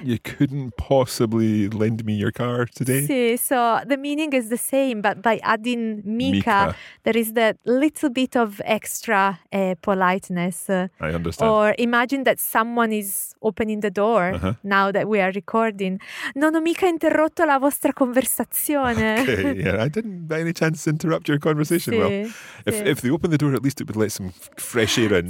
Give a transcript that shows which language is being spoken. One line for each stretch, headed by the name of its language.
English: You couldn't possibly lend me your car today? Sì, so the meaning is the same, but by adding mica, there is that little bit of extra politeness. I understand. Or imagine that someone is opening the door now that we are recording.
Italian: Non ho mica interrotto la vostra conversazione.
English: Okay. Yeah, I didn't by any chance interrupt your conversation.
Italian: Sì,
English: well, if they open the door, at least it would let some fresh air in.